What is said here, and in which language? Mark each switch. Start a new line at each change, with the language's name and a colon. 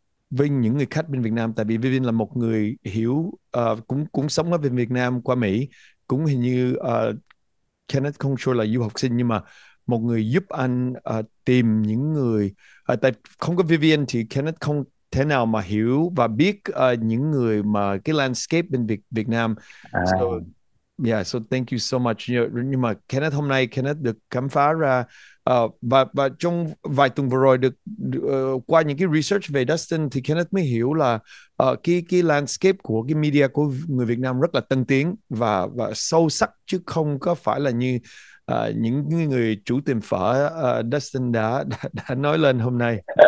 Vietnamese: với những người khách bên Việt Nam, tại vì Vivian là một người hiểu cũng cũng sống ở bên Việt Nam qua Mỹ, cũng hình như Kenneth không sure là du học sinh, nhưng mà một người giúp anh tìm những người, tại không có Vivian thì Kenneth không thế nào mà hiểu và biết những người mà cái landscape bên Việt Nam.
English: So yeah, so thank you so much.
Vietnamese: Nhưng mà Kenneth hôm nay Kenneth được khám phá ra và trong vài tuần vừa rồi được qua những cái research về Dustin thì Kenneth mới hiểu là cái landscape của cái media của người Việt Nam rất là tân tiến và sâu sắc, chứ không có phải là như những người chủ tiệm phở Dustin đã nói lên hôm nay.